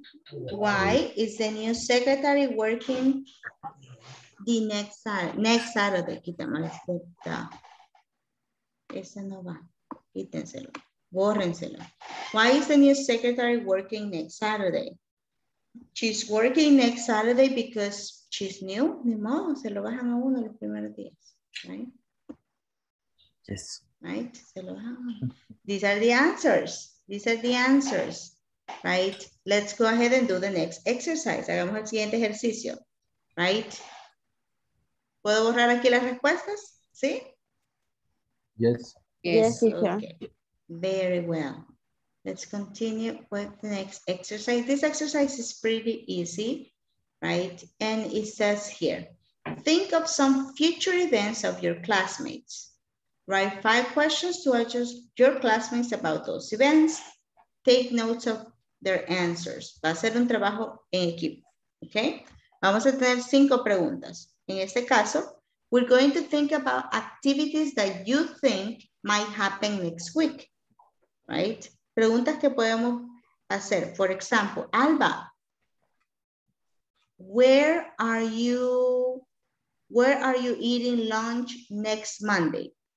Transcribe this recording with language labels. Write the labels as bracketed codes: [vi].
[en] Why is the new secretary working the next Saturday? [es] Quitamos esta. Esa no va. Quítenselo. Bórrenselo. [en] Why is the new secretary working next Saturday? She's working next Saturday because she's new. [es] Ni modo, se lo bajan a uno los primeros días. [en] Right? Yes. Right? [es] Se lo bajan. [en] These are the answers. These are the answers. Right? Let's go ahead and do the next exercise. [es] Hagamos el siguiente ejercicio. Right? ¿Puedo borrar aquí las respuestas? ¿Sí? [en] Yes. Yes, okay. Very well. Let's continue with the next exercise. This exercise is pretty easy, right? And it says here, think of some future events of your classmates. Write 5 questions to address your classmates about those events. Take notes of their answers. [es] Va a ser un trabajo en equipo, okay? Vamos a tener 5 preguntas. [en] In [es] este caso, [en] we're going to think about activities that you think might happen next week, right? [es] Preguntas que podemos hacer. [en] For example, Alba, where are you eating lunch next Monday?